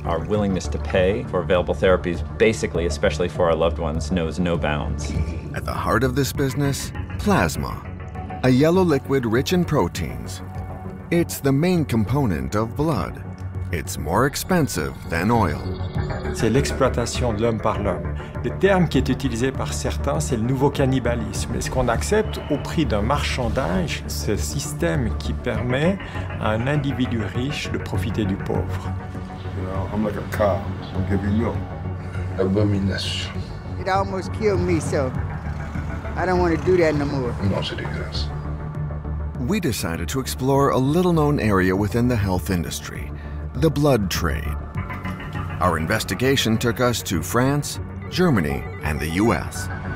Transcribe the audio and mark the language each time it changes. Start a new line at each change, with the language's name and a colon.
English: Our willingness to pay for available therapies, basically, especially for our loved ones, knows no bounds. At the heart of this business, plasma, a yellow liquid rich in proteins. It's the main component of blood. It's more expensive than oil.
French: C'est l'exploitation de l'homme par l'homme. Le terme qui est utilisé par certains, c'est le nouveau cannibalisme. Est-ce qu'on accepte au prix d'un marchandage ce système qui permet à un individu riche de profiter du pauvre?
English: You know, I'm like a car. I'm giving you abomination. It almost killed me, so I don't want to do that no more. I'm not saying this. We decided to explore a little-known area within the health industry, the blood trade. Our investigation took us to France, Germany, and the U.S.